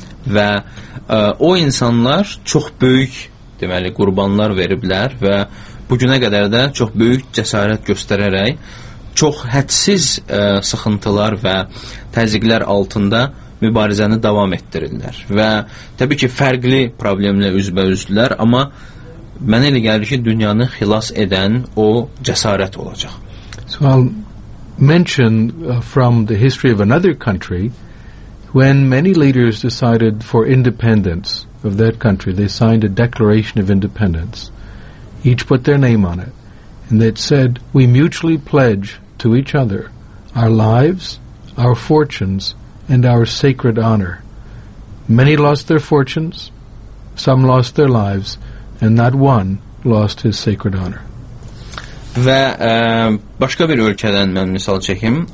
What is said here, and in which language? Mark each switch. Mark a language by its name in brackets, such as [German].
[Azerbaijani] Və o insanlar çox böyük, deməli, qurbanlar veriblər və bugünə qədər də çox böyük cəsarət göstərərək, çox hədsiz sıxıntılar və təzyiqlər altında mübarizəni davam etdirirlər. Və təbii ki, fərqli problemlə üzbə-üzdülər, amma mənə elə gəlir ki, dünyanı xilas edən o cəsarət olacaq. [English] So I'll mention from the history of another country, when many leaders decided for independence of that country, they signed a declaration of independence. Each put their name on it. And they said, we mutually pledge to each other our lives, our fortunes, and our sacred honor. Many lost their fortunes, some lost their lives, and not one lost his sacred honor. [Azerbaijani] Və başqa bir ölkədən mən misal çəkim.